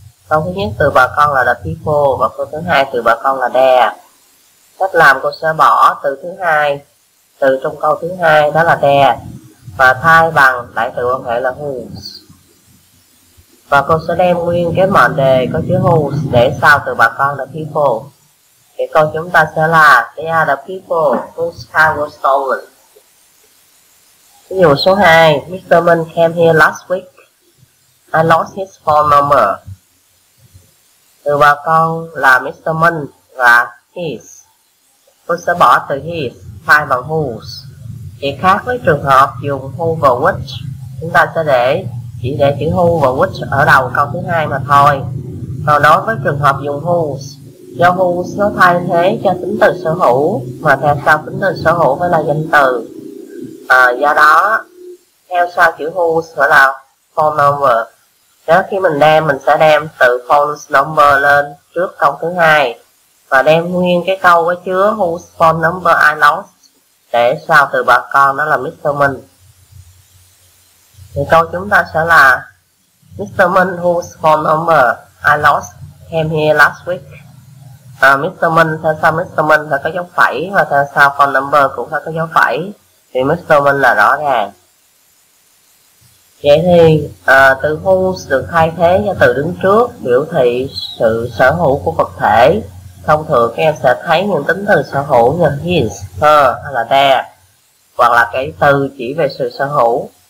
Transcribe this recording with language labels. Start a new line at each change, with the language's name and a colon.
Vietnamese: Câu thứ nhất từ bà con là the people và câu thứ hai từ bà con là their. Cách làm cô sẽ bỏ từ thứ hai, từ trong câu thứ hai đó là their và thay bằng đại từ quan hệ là whose. Và cô sẽ đem nguyên cái mệnh đề có chữ who để sau từ bà con là people. Thì câu chúng ta sẽ là
English: they are the people whose car was stolen. Ví dụ số 2, Mr. Min came here last week. I lost his phone number.
Vietnamese: Từ bà con là Mr. Min và his. Cô sẽ bỏ từ his thay bằng whose. Thì khác với trường hợp dùng who và which, chúng ta sẽ để chỉ để chữ who và which ở đầu câu thứ hai mà thôi. Còn đối với trường hợp dùng whose, do whose nó thay thế cho tính từ sở hữu mà theo sau tính từ sở hữu phải là danh từ. Do đó theo sau chữ whose phải là phone number. Đó khi mình sẽ đem từ phone number lên trước câu thứ hai và đem nguyên cái câu có chứa
English: whose phone number I lost
Vietnamese: để sau từ bà con đó là Mr. Min. Thì câu chúng ta sẽ là Mr.
English: Min whose phone number I lost came here last week.
Vietnamese: Mr. Min, theo sau Mr. Min phải có dấu phẩy và theo sau phone number cũng phải có dấu phẩy. Thì Mr. Min là rõ ràng. Vậy thì từ whose được thay thế cho từ đứng trước biểu thị sự sở hữu của vật thể. Thông thường các em sẽ thấy những tính từ sở hữu như his, her hay là their, hoặc là cái từ chỉ về sự sở hữu.